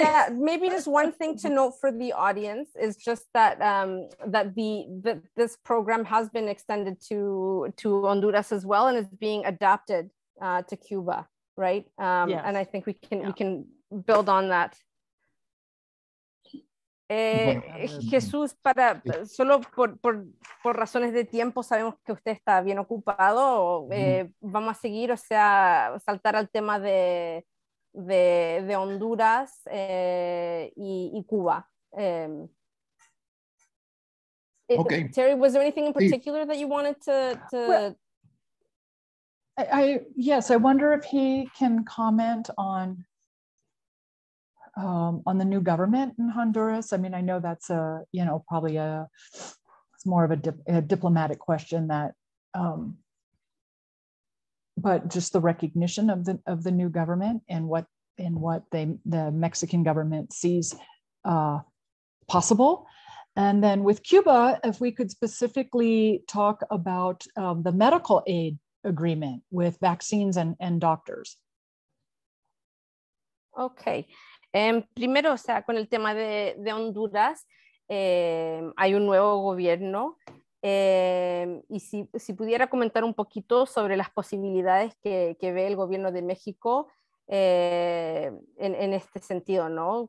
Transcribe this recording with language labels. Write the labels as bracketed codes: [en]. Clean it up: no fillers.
[en] Yeah, maybe just one thing to note for the audience is just that that this program has been extended to Honduras as well, and is being adapted to Cuba. Right. Yes. And I think we can build on that. [es] Jesús, para solo por razones de tiempo, sabemos que usted está bien ocupado. Vamos a seguir, o sea, saltar al tema de Honduras y Cuba. [en] Okay. Terry, was there anything in particular that you wanted to well, I wonder if he can comment on the new government in Honduras. I mean, I know that's it's more of a diplomatic question that, but just the recognition of the new government and what the Mexican government sees possible. And then with Cuba, if we could specifically talk about the medical aid agreement with vaccines and doctors. Okay. [es] Primero, o sea, con el tema de Honduras, hay un nuevo gobierno. Y si pudiera comentar un poquito sobre las posibilidades que ve el gobierno de México en este sentido, ¿no?